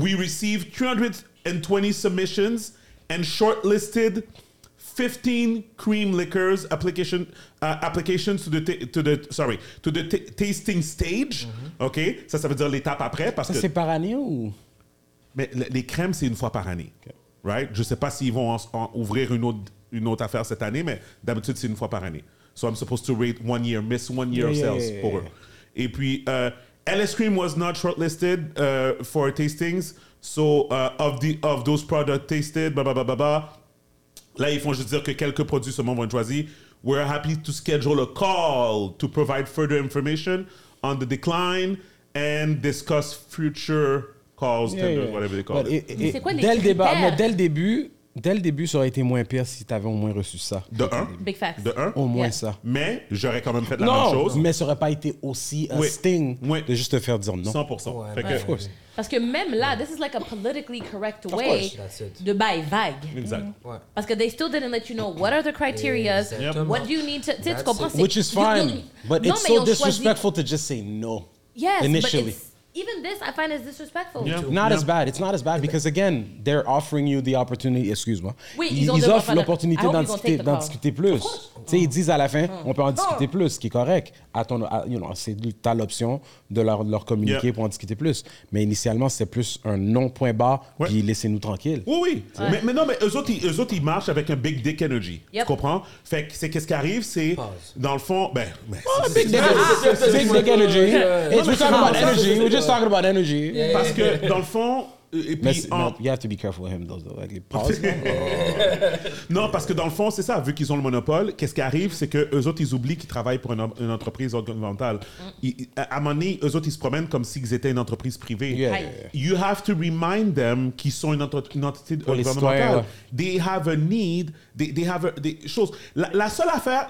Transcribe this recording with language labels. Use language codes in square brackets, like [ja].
[en] We received 320 submissions and shortlisted 15 cream liquors applications to the tasting stage. [fr] Mm-hmm. Okay. Ça veut dire l'étape après. Parce ça, que c'est par année ou? Mais les crèmes, c'est une fois par année. Okay. Right? Je sais pas s'ils vont en ouvrir une autre affaire cette année, mais d'habitude, c'est une fois par année. [en] So I'm supposed to rate one year, miss one year of sales for her. [fr] Et puis, [en] LS Cream was not shortlisted for tastings. So of those products tasted, blah, blah, blah, blah, blah. [fr] Là, ils font juste dire que quelques produits seulement vont être choisis. [en] We're happy to schedule a call to provide further information on the decline and discuss future calls, tenders, whatever they call [fr] dès le début... Dès le début, ça aurait été moins pire si tu avais au moins reçu ça. De un. [en] Big facts. [fr] De un. Au moins ça. Mais j'aurais quand même fait même chose. Mais ça aurait pas été aussi un sting de juste te faire dire non. 100%. Parce que même là, [en] this is like a politically correct way [fr] de buy vague. Exact. Ouais. Parce que [en] they still didn't let you know what are the criteria, what do you need to... [fr] Tu comprends? [en] Which is fine, but it's so disrespectful to just say no. Yes, initially. Even this, I find is disrespectful. Yeah. Not as bad. It's not as bad because, again, they're offering you the opportunity. [fr] Excuse-moi. Oui, ils offrent l'opportunité d'en discuter plus. Tu sais, ils disent à la fin, on peut en discuter plus, ce qui est correct. T'as l'option de leur communiquer pour en discuter plus. Mais initialement, c'est plus un non-point bas, puis laissez-nous tranquille. Oui, oui. Ouais. Mais non, mais eux autres, ils marchent avec un [en] big dick energy. Yep. [fr] Tu comprends? Fait que c'est qu'est-ce qui arrive, c'est... Pause. Dans le fond, ben... [en] Big dick energy. We're just talking about energy. [fr] Parce que, dans le fond, Et puis, [en] mais you have to be careful with him, though. Like, pause. [fr] Non, parce que dans le fond, c'est ça. Vu qu'ils ont le monopole, qu'est-ce qui arrive, c'est que eux autres, ils oublient qu'ils travaillent pour une entreprise gouvernementale. À un moment donné, eux autres, ils se promènent comme s'ils étaient une entreprise privée. [en] Yeah, yeah. You have to remind them [fr] qu'ils sont une entité gouvernementale. Ouais. [en] They have a need. They have a, [fr] des choses. La seule affaire